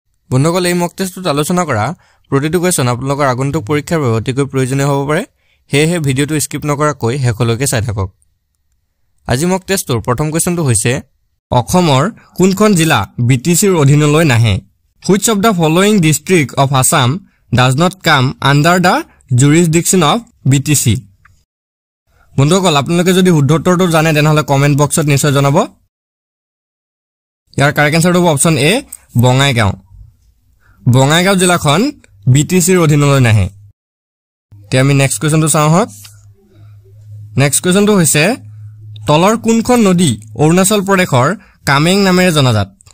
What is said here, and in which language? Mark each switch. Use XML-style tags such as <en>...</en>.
<as>বন্ধুসকল, এই মক টেষ্টটো আলোচনা কৰা প্ৰতিটো কোৱেশ্চন আপোনালোকৰ আগন্তুক পৰীক্ষাৰ বাবে অতিকৈ প্ৰয়োজনীয় হ'ব পাৰে, সেয়েহে ভিডিঅ'টো স্কিপ নকৰাকৈ শেষলৈকে চাই থাকক। আজি মক টেষ্টটোৰ প্ৰথম কোৱেশ্চনটো হৈছে, অসমৰ কোনখন জিলা বিটিচিৰ অধীনলৈ নাহে?</as> <en>Which of the following district of Assam does not come under the jurisdiction of BTC?</en> <as>বন্ধুসকল, আপোনালোকে যদি শুদ্ধ উত্তৰটো জানে তেনেহ'লে কমেণ্ট বক্সত নিশ্চয় জনাব। ইয়াৰ কাৰেক্ট এনচাৰটো হ'ব অপশ্যন এ, বঙাইগাঁও। বঙাইগাঁও জিলাখন বিটিচিৰ অধীনলৈ নাহে। এতিয়া আমি নেক্সট কুৱেশ্যনটো চাওঁহক। নেক্সট কুৱেশ্যনটো হৈছে, তলৰ কোনখন নদী অৰুণাচল প্ৰদেশৰ কামেং নামেৰে জনাজাত?</as>